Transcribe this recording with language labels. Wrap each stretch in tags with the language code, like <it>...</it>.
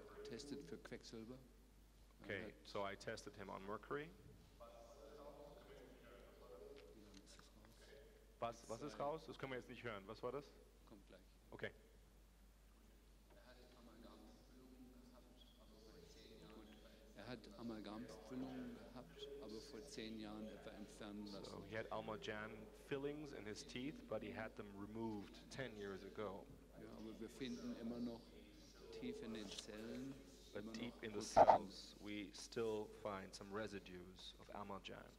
<en>Tested for Quecksilber. Okay, so I tested him on mercury.</en> <de>Was ist raus? Das können wir jetzt nicht hören. Was war das? Kommt gleich. Okay. Er hat Amalgamfüllungen gehabt, aber vor 10 Jahren etwa entfernen lassen.</de> <en>So he had Amalgam fillings in his teeth, but he had them removed 10 years ago.</en> <de>Ja, aber wir finden immer noch tief in den Zellen.</de> <en>But deep in the cells, we still find some residues of Amalgam.</en>